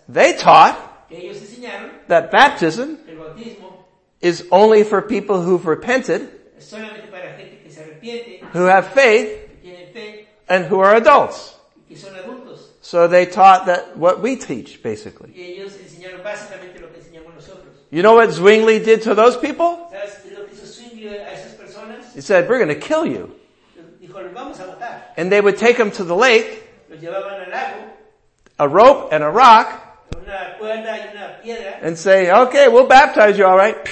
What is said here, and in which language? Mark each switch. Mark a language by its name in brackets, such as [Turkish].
[English] They taught [Spanish] que ellos enseñaron [English] that baptism, [Spanish] el bautismo, [English] is only for people who've repented, [Spanish] solamente para gente que se arrepiente, [English] who have faith, [Spanish] que tienen fe, [English] and who are adults. [Spanish] Que son adultos. [English] So they taught that what we teach, basically. [Spanish] Y ellos enseñaron básicamente lo que enseñamos nosotros. [English] You know what Zwingli did to those people? [Spanish] ¿Sabes lo que hizo Zwingli a esas personas? [English] He said, we're going to kill you. [Spanish] Dijo, los vamos a matar. [English] And they would take them to the lake, [Spanish] los llevaban al lago, [English] a rope and a rock, [Spanish] una cuerda y una piedra, [English] and say, okay, we'll baptize you, all right.